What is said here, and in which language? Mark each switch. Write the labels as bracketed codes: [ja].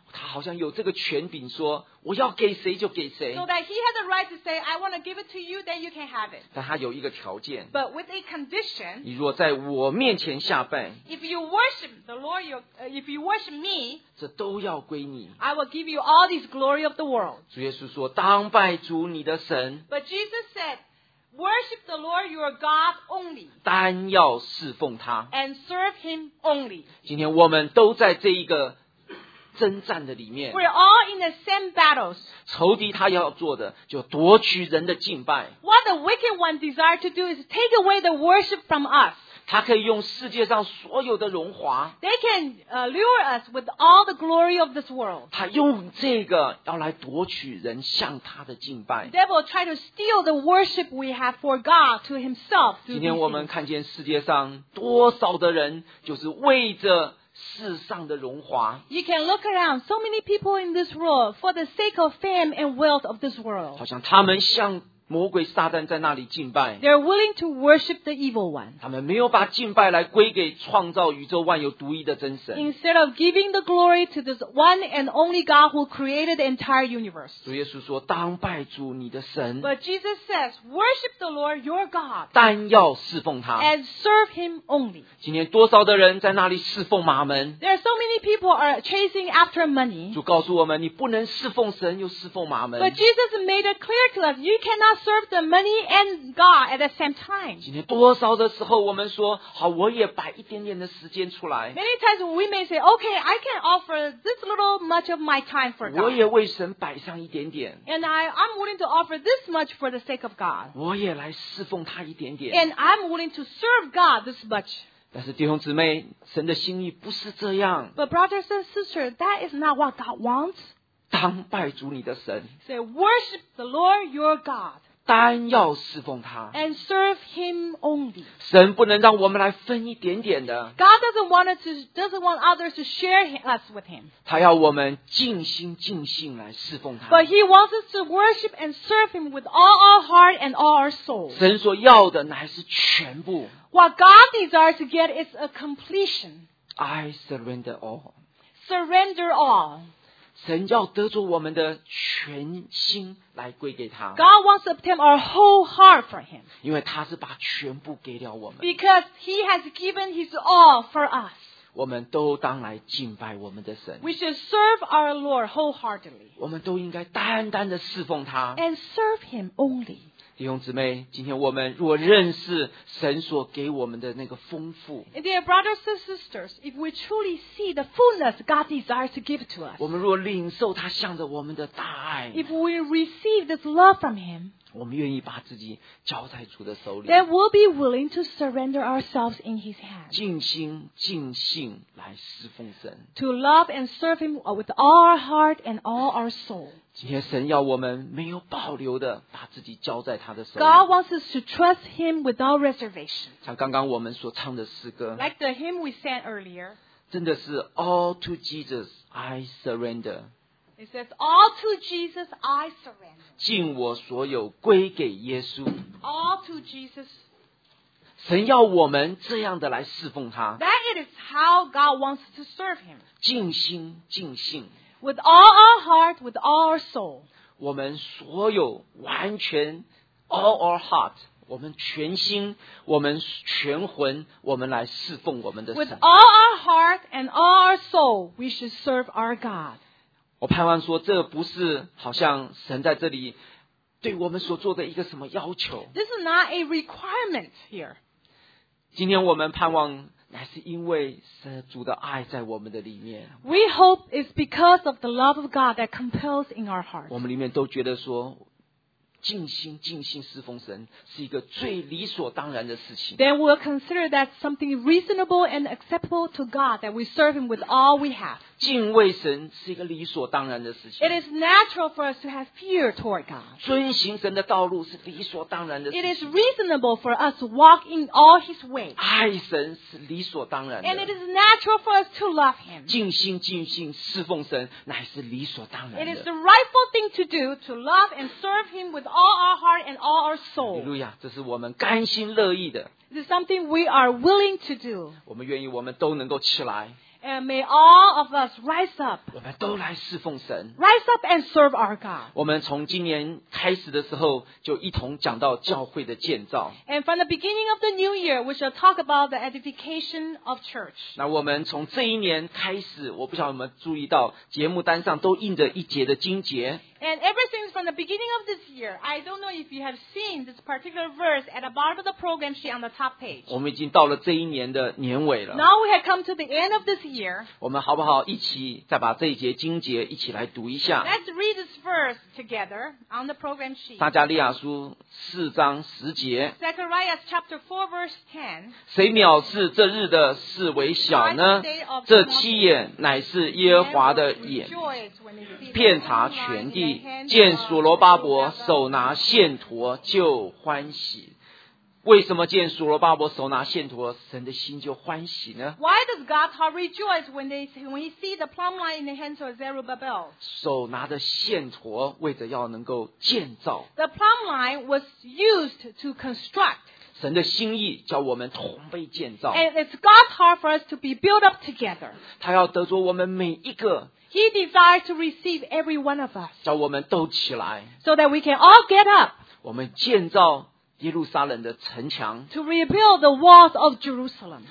[zh] 他好像有这个权柄说我要给谁就给谁 [en] So that he has the right to say, I want to give it to you, then you can have it [zh] 但他有一个条件 [en] But with a condition [zh] 你若在我面前下拜 [en] If you worship the Lord, if you worship me [zh] 这都要归你 [en] I will give you all these glory of the world [zh] 主耶稣说当拜主你的神 [en] But Jesus said, worship the Lord your God only [zh] 单要侍奉他 [en] And serve him only [zh] 今天我们都在这一个征战的里面 [en] We're all in the same battles [zh] 仇敌他要做的就夺取人的敬拜 [en] What the wicked one desires to do is take away the worship from us [zh] 他可以用世界上所有的荣华 [en] They can lure us with all the glory of this world [zh] 他用这个要来夺取人向他的敬拜 [en] The devil tries to steal the worship we have for God to himself [zh] 今天我们看见世界上多少的人就是为着世上的荣华 [en] You can look around so many people in this world for the sake of fame and wealth of this world [zh] 好像他们向魔鬼撒旦在那里敬拜。 [en] They're willing to worship the evil one. [zh] 他们没有把敬拜来归给创造宇宙万有独一的真神。 [en] Instead of giving the glory to this one and only God who created the entire universe. [zh] 主耶稣说：“当拜主你的神。” [en] But Jesus says, "Worship the Lord your God." [zh] 单要侍奉他。 [en] And serve Him only. [zh] 今天多少的人在那里侍奉马门 [en] ？There are so many people are chasing after money. [zh] 主告诉我们：“你不能侍奉神又侍奉马门。” [en] But Jesus made it clear to us, "You cannot." Serve the money and God at the same time. [zh] 今天多少的时候，我们说好，我也摆一点点的时间出来。 [en] Many times we may say, "Okay, I can offer this little much of my time for God." [zh] 我也为神摆上一点点。 [en] And I'm willing to offer this much for the sake of God. [zh] 我也来侍奉他一点点。 [en] And I'm willing to serve God this much. [zh] 但是弟兄姊妹，神的心意不是这样。 [en] But brothers and sisters, that is not what God wants. [zh] 当拜主你的神。 [en] Say, worship the Lord your God. [zh] 单要侍奉他 [en] and serve him only. [zh] 神不能让我们来分一点点的 [en] God doesn't want others to share us with him. [zh] 他要我们尽心尽性来侍奉他 [en] But he wants us to worship and serve him with all our heart and all our soul. [zh] 神所要的乃是全部 [en] What God desires to get is a completion. I surrender all. Surrender all. [zh] 神要得着我们的全心来归给他。 [en] God wants to obtain our whole heart for him. [zh] 因为他是把全部给了我们。 [en] Because he has given his all for us. [zh] 我们都当来敬拜我们的神。 [en] We should serve our Lord wholeheartedly. [zh] 我们都应该单单的侍奉他。 [en] And serve him only. [zh] 弟兄姊妹，今天我们若认识神所给我们的那个丰富 [en] Dear brothers and sisters, if we truly see the fullness God desires to give to us, [zh] 我们若领受他向着我们的大爱 [en] If we receive this love from him, [zh] 我们愿意把自己交在主的手里 [en] Then we'll be willing to surrender ourselves in his hands. [zh] 尽心尽性来侍奉神 [en] To love and serve him with all our heart and all our soul. [zh] 今天神要我们没有保留的把自己交在他的手里。 [en] God wants us to trust him without reservation. [zh] 像刚刚我们所唱的诗歌。 [en] Like the hymn we sang earlier. [zh] 真的是 [en] All to Jesus, I surrender. It says, All to Jesus, I surrender. [zh] 尽我所有归给耶稣。 [en] All to Jesus. [zh] 神要我们这样的来侍奉他。 [en] That is how God wants to serve him. [zh] 尽心尽性。 [en] With all our heart, with all our soul. [zh] 我们所有完全 [en] all our heart, [zh] 我们全心我们全魂我们来侍奉我们的神。 [en] With all our heart and all our soul, we should serve our God. [zh] 我盼望说这不是好像神在这里对我们所做的一个什么要求。 [en] This is not a requirement here. [zh] 今天我们盼望乃是因为主的爱在我们的里面。 [en] We hope it's because of the love of God that compels in our hearts. [zh] 我们里面都觉得说，尽心尽性侍奉神是一个最理所当然的事情。 [en] Then we'll consider that something reasonable and acceptable to God that we serve Him with all we have. [zh] 敬畏神是一个理所当然的事情。 [en] It is natural for us to have fear toward God. [zh] 遵行神的道路是理所当然的事情。 [en] It is reasonable for us to walk in all His ways. [zh] 爱神是理所当然的。 [en] And it is natural for us to love Him. [zh] 尽心尽性侍奉神乃是理所当然的。 [en] It is the rightful thing to do to love and serve Him with all our heart and all our soul. [zh] 哈利路亚，这是我们甘心乐意的。 [en] This is something we are willing to do. [zh] 我们愿意，我们都能够起来。 [en] And may all of us rise up. [zh] 我们都来侍奉神。 [en] Rise up and serve our God. [zh] 我们从今年开始的时候就一同讲到教会的建造。 [en] And from the beginning of the new year, we shall talk about the edification of church. [zh] 那我们从这一年开始，我不晓得有没有注意到节目单上都印着一节的经节。 [en] And ever since from the beginning of this year, I don't know if you have seen this particular verse at the bottom of the program sheet on the top page. [zh] 我们已经到了这一年的年尾了。 [en] Now we have come to the end of this year. [zh] 我们好不好一起再把这一节经节一起来读一下 [en] ？Let's read this verse together on the program sheet. [zh] 撒迦利亚书四章十节。 [en] Zechariah chapter 4 verse 10. [zh] 谁藐视这日的事为小呢？这七眼乃是耶和华的眼，遍察全地。见所罗巴伯手拿线砣就欢喜。为什么见所罗巴伯手拿线砣，神的心就欢喜呢？ [en] Why does God's heart rejoice when he see the plumb line in the hands of Zerubbabel? [zh] 手拿着线砣，为着要能够建造。 [en] The plumb line was used to construct. [zh] 神的心意叫我们同被建造。 [en] And it's God's heart for us to be built up together. [zh] 他要得着我们每一个。 [en] He desires to receive every one of us. [zh] 叫我们都起来。 [en] So that we can all get up. [zh] 我们建造。耶路撒冷的城墙 [en] to rebuild the walls of Jerusalem